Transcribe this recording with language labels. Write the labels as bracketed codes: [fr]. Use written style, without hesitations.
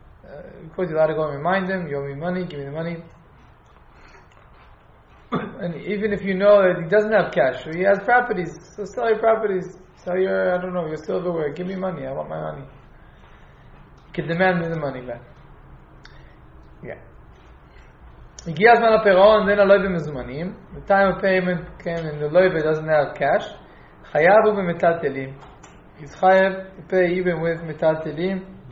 [en] Of course, you'll have to go and remind him, you owe me money, give me the money. And even if you know that he doesn't have cash, or he has properties, so sell your properties, So you're, I don't know, you're still the way. Give me money. I want my money. You can demand me the money back. Yeah. [he] הגיע הזמן הפירעון, [en] then [he] הלויבה מזומנים. [en] The time of payment came and the loyve doesn't have cash. [he] חייב הוא במטלטלים. [en] He's chayev to pay even with metatelim.